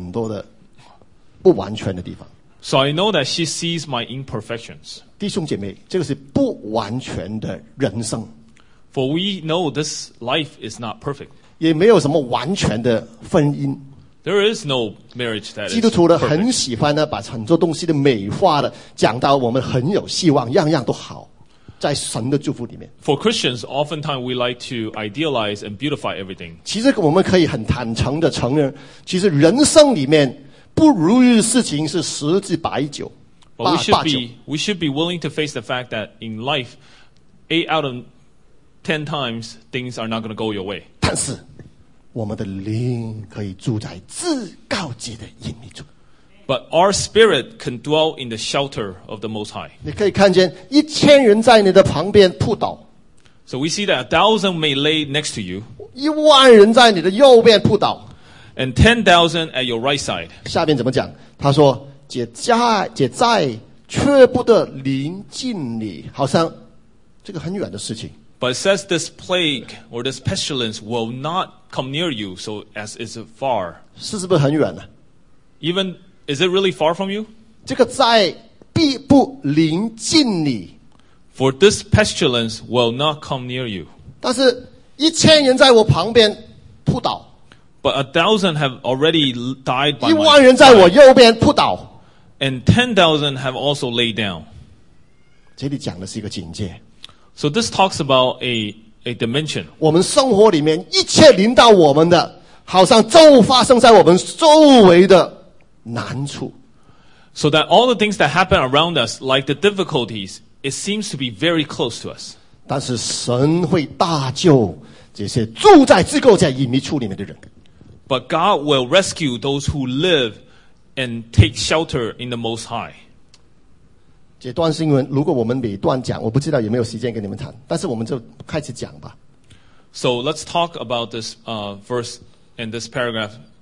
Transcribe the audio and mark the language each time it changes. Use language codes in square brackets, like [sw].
[zh] 所以我真的知道她一直看到我很多的不完全的地方。 [en] So I know that she sees my imperfections. [zh] 弟兄姐妹, 这个是不完全的人生。 [en] For we know this life is not perfect. [zh] 也没有什么完全的婚姻。 [en] There is no marriage that is perfect. [zh] 基督徒很喜欢把很多东西都美化了，讲到我们很有希望，样样都好。在神的祝福里面。 [en] For Christians, oftentimes we like to idealize and beautify everything. [zh] 其实我们可以很坦诚地承认, 其实人生里面不如意的事情是十之八九。 [en] But we should be willing to face the fact that in life, 8 out of 10 times, things are not going to go your way. [zh] 但是, 我们的灵可以住在至高级的隐秘处。 [en] But our spirit can dwell in the shelter of the Most High. [zh] 你可以看见一千人在你的旁边扑倒。 [en] So we see that 1,000 may lay next to you. [zh] 一万人在你的右边扑倒。 [en] And 10,000 at your right side. [zh] 下面怎么讲? 他说, 解债却不得临近你, 好像这个很远的事情。 [en] But it says this plague or this pestilence will not come near you, so as it's far. [zh] 是不是很远呢? [en] Even is it really far from you? [zh] 这个灾必不临近你。 [en] For this pestilence will not come near you. [zh] 但是一千人在我旁边扑倒。 [en] But 1,000 have already died by my side. [zh] 一万人在我右边扑倒。 [en] And 10,000 have also laid down. [zh] 这里讲的是一个警戒。 [en] So this talks about a dimension. [zh] 我们生活里面一切临到我们的, 好像就发生在我们周围的。难处. [en] So that all the things that happen around us, like the difficulties, it seems to be very close to us. [zh] 但是神会大救这些住在至高在隐秘处里面的人。 [en] But God will rescue those who live and take shelter in the Most High. [zh] 这段新闻如果我们每段讲，我不知道有没有时间跟你们谈，但是我们就开始讲吧。 [en] So let's talk about this verse and this paragraph.